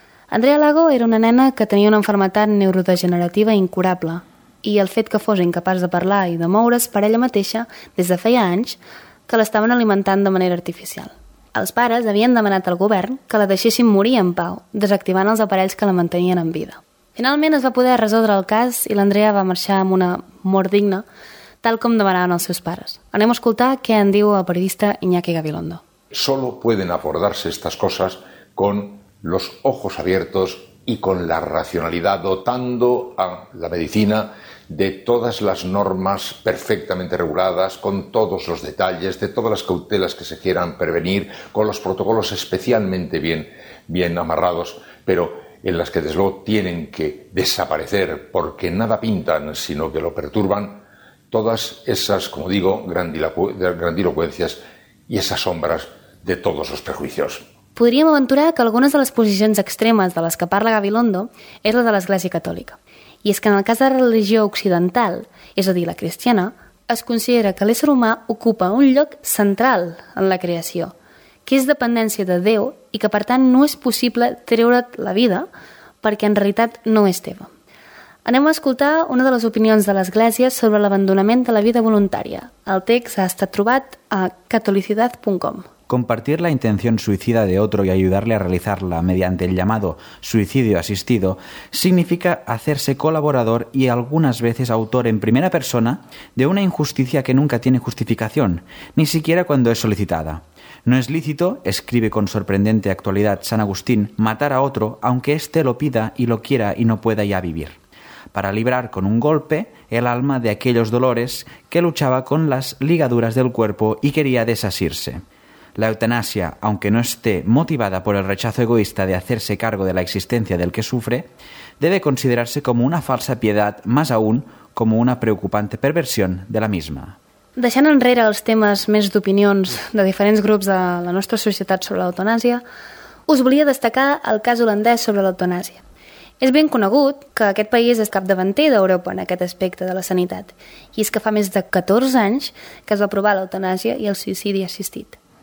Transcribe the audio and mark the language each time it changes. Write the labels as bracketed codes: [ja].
[ca] Andrea Lago era una nena que tenia una malaltia neurodegenerativa incurable i el fet que fos incapaç de parlar i de moure's per ella mateixa des de feia anys que l'estaven alimentant de manera artificial. Els pares havien demanat al govern que la deixessin morir en pau, desactivant els aparells que la mantenien en vida. Finalment es va poder resoldre el cas i l'Andrea va marxar amb una mort digna, tal com demanaven els seus pares. Anem a escoltar què en diu el periodista Iñaki Gabilondo. [es] Solo pueden abordarse estas cosas con los ojos abiertos y con la racionalidad, dotando a la medicina de todas las normas perfectamente reguladas, con todos los detalles, de todas las cautelas que se quieran prevenir, con los protocolos especialmente bien amarrados, pero en las que desde luego tienen que desaparecer porque nada pintan, sino que lo perturban, todas esas, como digo, grandilocuencias y esas sombras de todos los prejuicios. [ca] Podríem aventurar que algunes de les posicions extremes de les que parla Gabilondo és la de l'Església Catòlica. I és que en el cas de la religió occidental, és a dir, la cristiana, es considera que l'ésser humà ocupa un lloc central en la creació, que és dependència de Déu i que, per tant, no és possible treure't la vida perquè en realitat no és teva. Anem a escoltar una de les opinions de l'Església sobre l'abandonament de la vida voluntària. El text ha estat trobat a catolicidad.com. [es] Compartir la intención suicida de otro y ayudarle a realizarla mediante el llamado suicidio asistido significa hacerse colaborador y algunas veces autor en primera persona de una injusticia que nunca tiene justificación, ni siquiera cuando es solicitada. No es lícito, escribe con sorprendente actualidad San Agustín, matar a otro aunque éste lo pida y lo quiera y no pueda ya vivir, para librar con un golpe el alma de aquellos dolores que luchaba con las ligaduras del cuerpo y quería desasirse. La eutanasia, aunque no esté motivada por el rechazo egoísta de hacerse cargo de la existencia del que sufre, debe considerarse como una falsa piedad, más aún como una preocupante perversión de la misma. [ca] Deixant enrere els temes més d'opinions de diferents grups de la nostra societat sobre l'eutanàsia, us volia destacar el cas holandès sobre l'eutanàsia. És ben conegut que aquest país és capdavanter d'Europa en aquest aspecte de la sanitat, i és que fa més de 14 anys que es va aprovar l'eutanàsia i el suïcidi assistit.